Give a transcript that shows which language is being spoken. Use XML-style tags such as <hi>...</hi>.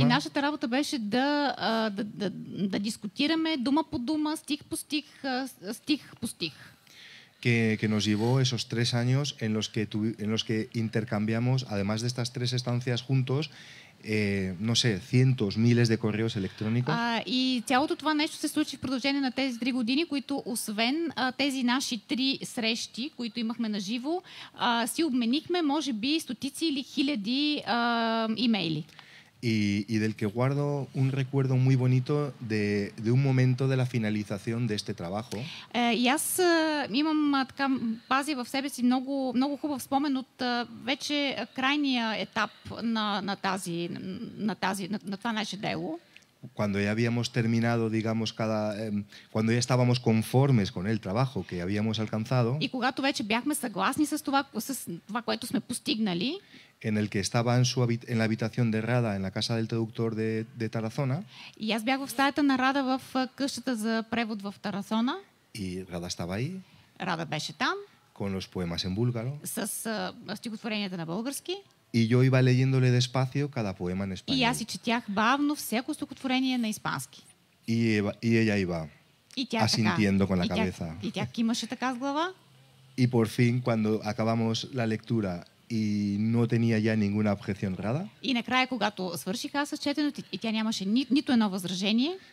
<bg>И нашата работа беше да дискутираме дума по дума, стих по стих, стих по стих.</bg> <es>Que nos llevó esos 3 años en los que intercambiamos, además de estas 3 estancias juntos, no sé, cientos, miles de correos electrónicos.</es> <bg>И цялото това нещо се случи в продължение на тези 3 години, които освен тези наши 3 срещи, които имахме на живо, си обменихме може би стотици или хиляди имейли.</bg> <es>Y del que guardo un recuerdo muy bonito de un momento de la finalización de este trabajo.</es> <bg>И аз имам така пази в себе си много, много хубав спомен от вече крайния етап на това наше дело.</bg> <es>Cuando ya habíamos terminado, digamos, cuando ya estábamos conformes con el trabajo que habíamos alcanzado.</es> <bg>И когато вече бяхме съгласни с това, което сме постигнали.</bg> <es>En el que estaba en la habitación de Rada, en la casa del traductor de Tarazona.</es> <bg>И аз бях в стаята на Рада в къщата за превод в Тарасона.</bg> <es>Y Rada estaba ahí.</es> <bg>Rada беше там.</bg> <es>Con los poemas en búlgaro.</es> <bg>С стихотворенията на български.</bg> <es>Y yo iba leyéndole despacio cada poema en español.</es> <bg>И аз си четях бавно всяко стихотворение на испански.</bg> <es>Y ella iba asintiendo con la cabeza.</es> <bg>И тя кимаше така с глава.</bg> <es>Y por fin, cuando acabamos la lectura y no tenía ya ninguna objeción Rada.</es> <bg>И накрая, когато свърших аз с четенето и тя нямаше нито едно възражение.</bg>